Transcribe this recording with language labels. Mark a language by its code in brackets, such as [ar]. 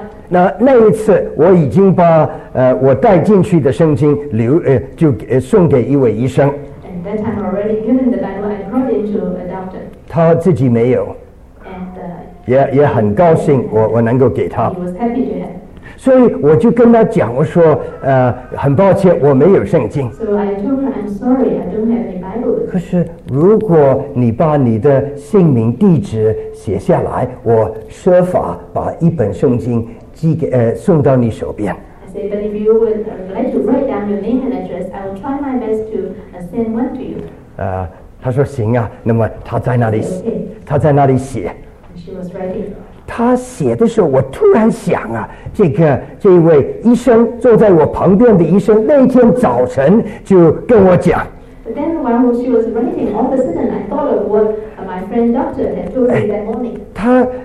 [zh] 那一次我已经把我带进去的圣经送给一位医生。 [en] And at that time already given the Bible and brought it to a doctor. [zh] 他自己没有。也很高兴我能够给他。 [en] He was happy to have. [zh] 所以我就跟他讲，我说，很抱歉，我没有圣经。 [en] So I told her, I'm sorry, I don't have any Bible. [zh] 可是如果你把你的姓名、地址写下来，我设法把一本圣经送到你手边。 [en] But if you would like to write down your name and address, I will try my best to send one to you. [zh] 他说行啊，那么他在那里写， [en] okay. [zh] 他在那里写。 [en] She was writing. [zh] 他写的时候，我突然想啊，这一位医生坐在我旁边的医生，那天早晨就跟我讲。 [en] But then while she was writing, all of a sudden I thought of what my friend doctor had told me that morning.